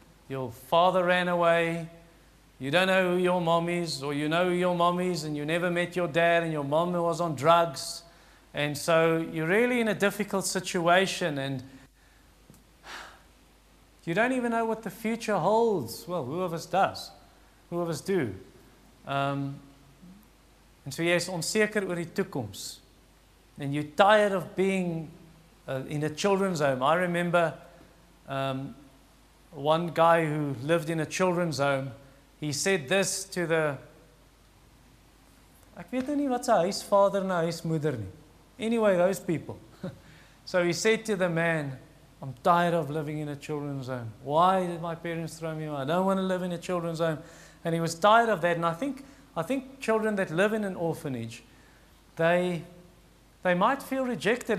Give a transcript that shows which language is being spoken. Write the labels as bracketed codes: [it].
[en] Your father ran away. You don't know who your mom is, or you know who your mom is and you never met your dad and your mom was on drugs. And so you're really in a difficult situation and you don't even know what the future holds. Well, who of us does? Who of us do? And so yes, [af] onseker oor die toekoms. [en] And you're tired of being in a children's home. I remember one guy who lived in a children's home. He said this to the... [af] Ek weet nie wat sy huisvader na huismoeder nie. [en] Anyway, those people. So he said to the man, I'm tired of living in a children's home. Why did my parents throw me away? I don't want to live in a children's home. And he was tired of that. And I think children that live in an orphanage, they might feel rejected.